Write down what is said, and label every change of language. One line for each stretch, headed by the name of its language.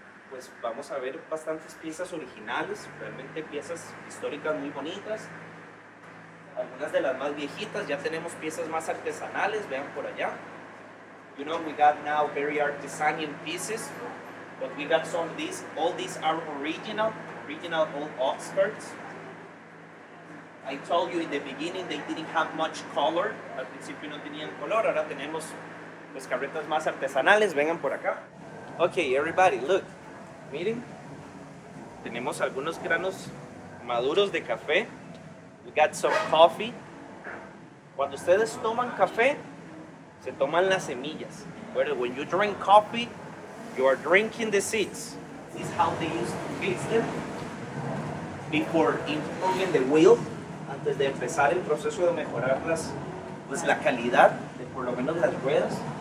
Spanish: Pues vamos a ver bastantes piezas originales, realmente piezas históricas muy bonitas. Algunas de las más viejitas, ya tenemos piezas más artesanales, vean por allá.
English: You know, we got now very artisanal pieces, but we got some of these. All these are original old Oxfords. I told you in the beginning they didn't have much color.
Spanish: Al principio no tenían color, ahora tenemos pues carretas más artesanales, vengan por acá.
English: Okay, everybody, look.
Spanish: Miren, tenemos algunos granos maduros de café.
English: We got some coffee.
Spanish: Cuando ustedes toman café, se toman las semillas.
English: Pero when you drink coffee, you are drinking the seeds. This is how they used to fix them before improving the wheel.
Spanish: Antes de empezar el proceso de mejorarlas, pues la calidad de por lo menos las ruedas.